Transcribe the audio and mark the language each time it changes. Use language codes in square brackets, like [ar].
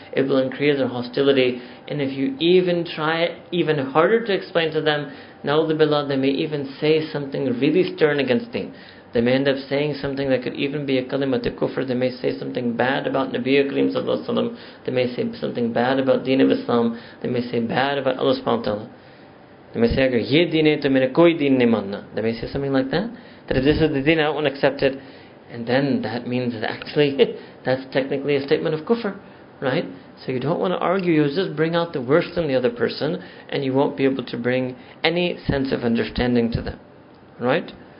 [en] It will increase their hostility. And if you even try even harder to explain to them, na'udhu billah, they may even say something really stern against thee. They may end up saying something that could even be a kalimat kufr. They may say something bad about Nabi Karim Sallallahu Alaihi Wasallam. They may say something bad about Deen of Islam. They may say bad about Allah Subhanahu Wa Ta'ala. They may say, [ur] اگر یہ دین ہے، تو میرے کوئی دین نہیں ماننا۔ [en] They may say something like that. That if this is the deen, I won't accept it. And then that means that actually, that's technically a statement of kufr, right? So you don't want to argue, you just bring out the worst in the other person, and you won't be able to bring any sense of understanding to them, right?